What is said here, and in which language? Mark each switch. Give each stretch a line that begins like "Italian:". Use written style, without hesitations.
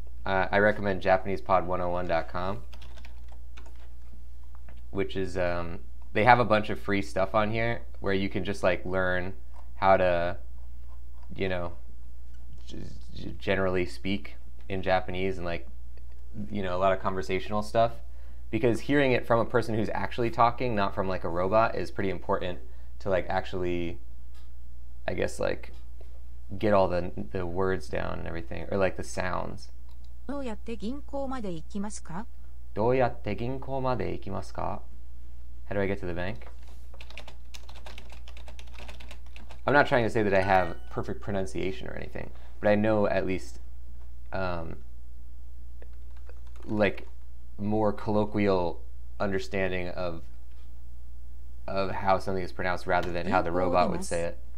English: I recommend JapanesePod101.com, which is, they have a bunch of free stuff on here where you can just like learn how to, you know, generally speak in Japanese and like, you know, a lot of conversational stuff. Because hearing it from a person who's actually talking, not from like a robot, is pretty important to like actually, I guess, like get all the words down and everything, or like the sounds.
Japanese: どうやって銀行まで行きますか? どうやって銀行まで行きますか?
English: How do I get to the bank? I'm not trying to say that I have perfect pronunciation or anything, but I know at least like more colloquial understanding of how something is pronounced rather than how the robot would say it.